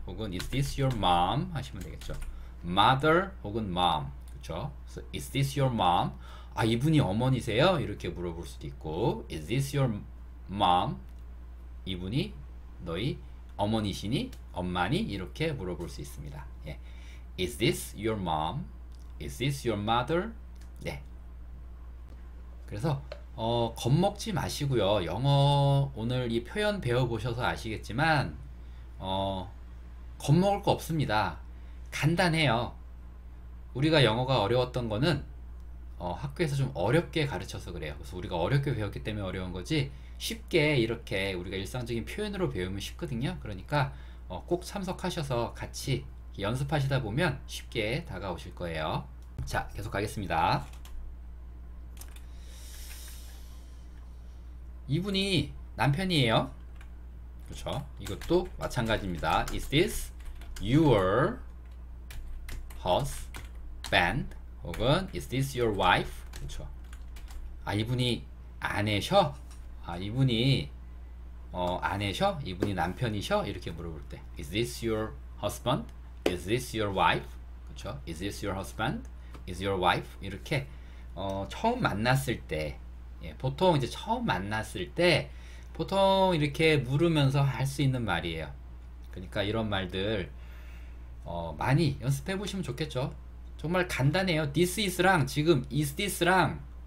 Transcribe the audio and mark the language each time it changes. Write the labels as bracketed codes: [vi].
[ko] 혹은 [en] is this your mom? [ko] 하시면 되겠죠. [en] Mother 혹은 mom. [ko] 그쵸. [en] So, is this your mom? [ko] 아, 이분이 어머니세요? 이렇게 물어볼 수도 있고, [en] is this your mom? [ko] 이분이 너희 어머니시니? 엄마니? 이렇게 물어볼 수 있습니다. 예. [en] Is this your mom? Is this your mother? [ko] 네. 그래서, 겁먹지 마시고요. 영어 오늘 이 표현 배워보셔서 아시겠지만, 겁먹을 거 없습니다. 간단해요. 우리가 영어가 어려웠던 거는, 학교에서 좀 어렵게 가르쳐서 그래요. 그래서 우리가 어렵게 배웠기 때문에 어려운 거지, 쉽게 이렇게 우리가 일상적인 표현으로 배우면 쉽거든요. 그러니까 꼭 참석하셔서 같이 연습하시다 보면 쉽게 다가오실 거예요. 자, 계속 가겠습니다. 이분이 남편이에요. 그렇죠? 이것도 마찬가지입니다. [en] Is this your husband? [ko] 혹은 [en] is this your wife? [ko] 그렇죠? 아, 이분이 아내셔? 아, 이분이 아내셔? 이분이 남편이셔? 이렇게 물어볼 때 [en] Is this your husband? Is this your wife? [ko] 그렇죠? [en] Is this your husband? Is your wife? [ko] 이렇게 처음 만났을 때 예, 보통 이제 처음 만났을 때 보통 이렇게 물으면서 할수 있는 말이에요. 그러니까 이런 말들 많이 연습해 보시면 좋겠죠. 정말 간단해요. This is랑 지금 [en] is this [ko] 랑